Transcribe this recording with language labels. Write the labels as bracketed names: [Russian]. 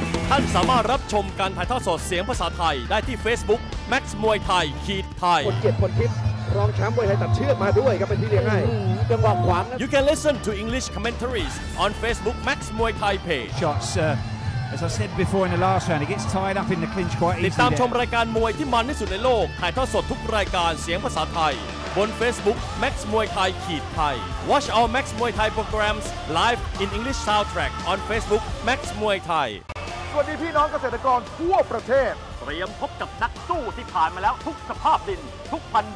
[Thai] ท่านสามารถรับชมการถ่ายทอดสดเสียงภาษาไทยได้ที่ Facebook Max Muay Thai Kid Thai คนเก็บคนทิพย์รองแชมป์มวยไทยตัดเชือกมาด้วยครับเป็นที่เรียกให้จังหวะขวางน [English] ะ You can listen to English commentaries on Facebook Max Muay Thai page Shots as I said before in the last round it gets tied up in the clinch quite easily [Thai] ติดตามชมรายการมวยที่มันที่สุดในโลกถ่ายทอดสดทุกรายการเสียงภาษาไทยบน Facebook Max Muay Thai Kid Thai [English] Watch all Max Muay Thai [Thai] programs live in English soundtrack on Facebook Max Muay Thai สวัสดีพี่น้องเกษตรกรทั่วประเทศ เตรียมพบกับนักสู้ที่ผ่านมาแล้วทุกสภาพดินทุกพันธุ์